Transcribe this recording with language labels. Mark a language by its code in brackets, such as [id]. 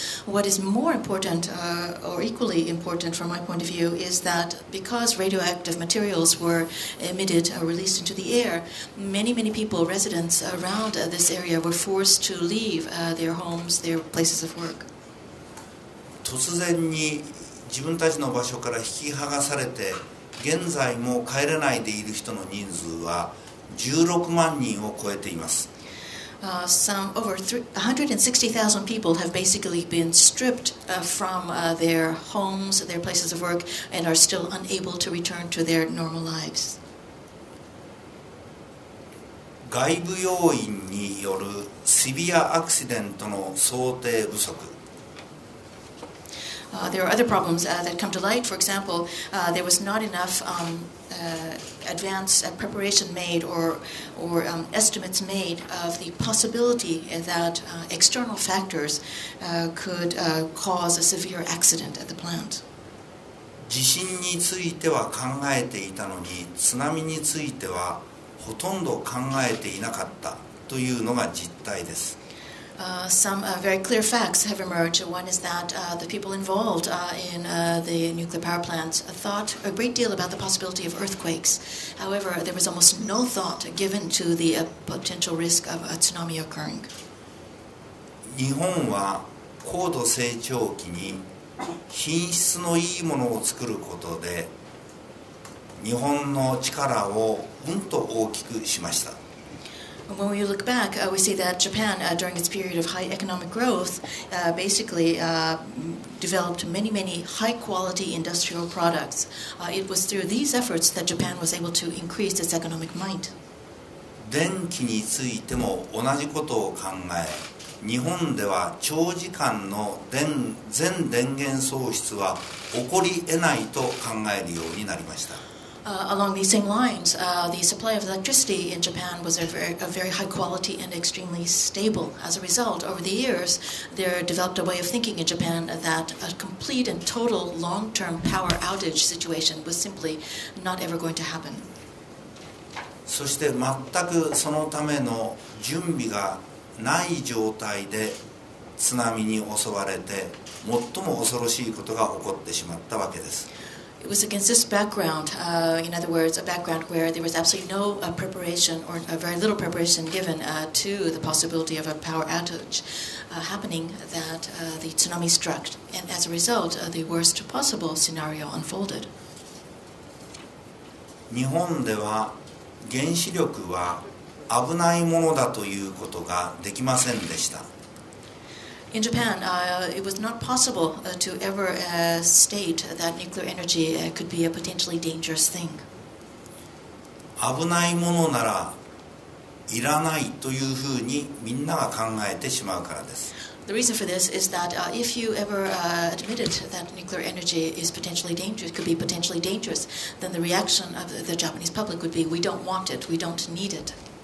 [en] What is more important, or equally important from my point of view, is that because radioactive materials were emitted, released into the air, many, many people, residents around this area, were forced to leave their homes, their places of work. [ja] 突然に自分たちの場所から引き剥がされて現在も帰れないでいる人の人数は16万人を超えています。 [en] Over 160,000 people have basically been stripped from their homes, their places of work, and are still unable to return to their normal lives. [ja] 外部要因によるシビアアクシデントの想定不足。 [en] There are other problems that come to light. For example, there was not enough advanced preparation made or estimates made of the possibility that external factors could cause a severe accident at the plant. [ja] 地震については考えていたのに、津波についてはほとんど考えていなかったというのが実態です。 [en] Some very clear facts have emerged. One is that the people involved in the nuclear power plants thought a great deal about the possibility of earthquakes. However, there was almost no thought given to the potential risk of a tsunami occurring. [ja] 日本は高度成長期に品質のいいものを作ることで日本の力をうんと大きくしました。 [en] When we look back, we see that Japan, during its period of high economic growth, basically developed many, many high-quality industrial products. It was through these efforts that Japan was able to increase its economic might. [ja] 電気についても同じことを考え、日本では長時間の全電源喪失は起こり得ないと考えるようになりました。 [en] Along these same lines, the supply of electricity in Japan was a very high quality and extremely stable. As a result, over the years, there developed a way of thinking in Japan that a complete and total long-term power outage situation was simply not ever going to happen. [ja] そして全くそのための準備がない状態で津波に襲われて、最も恐ろしいことが起こってしまったわけです。 [en] It was against this background, in other words, a background where there was absolutely no preparation or a very little preparation given to the possibility of a power outage happening that the tsunami struck. And as a result, the worst possible scenario unfolded. [ja] 日本では原子力は危ないものだということができませんでした。 [en] In Japan, it was not possible to ever state that nuclear energy could be a potentially dangerous thing. [ja] 危ないものならいらないというふうにみんなが考えてしまうからです。 [en] The reason for this is that if you ever admitted that nuclear energy is potentially dangerous, could be potentially dangerous, then the reaction of the Japanese public would be, we don't want it, we don't need it.